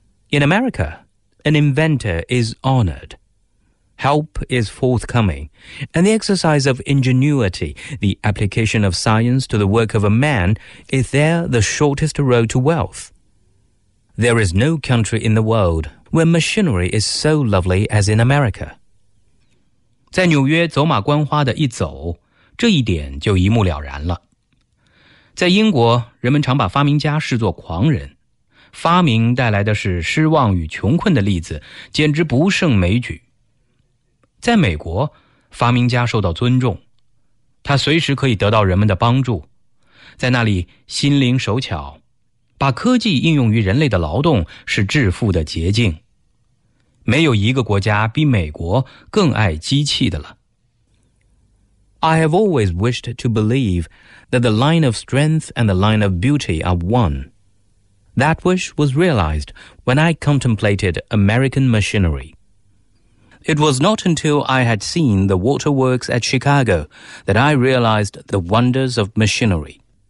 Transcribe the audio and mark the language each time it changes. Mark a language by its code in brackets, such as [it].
[en] In America, an inventor is honored. Help is forthcoming, and the exercise of ingenuity, the application of science to the work of a man, is there the shortest road to wealth. There is no country in the world where machinery is so lovely as in America. [zh] 在纽约走马观花的一走，这一点就一目了然了。在英国，人们常把发明家视作狂人，发明带来的是失望与穷困的例子简直不胜枚举。在美国，发明家受到尊重，他随时可以得到人们的帮助，在那里心灵手巧，把科技应用于人类的劳动是致富的捷径。没有一个国家比美国更爱机器的了。 [en] I have always wished to believe that the line of strength and the line of beauty are one. That wish was realized when I contemplated American machinery. It was not until I had seen the waterworks at Chicago that I realized the wonders of machinery.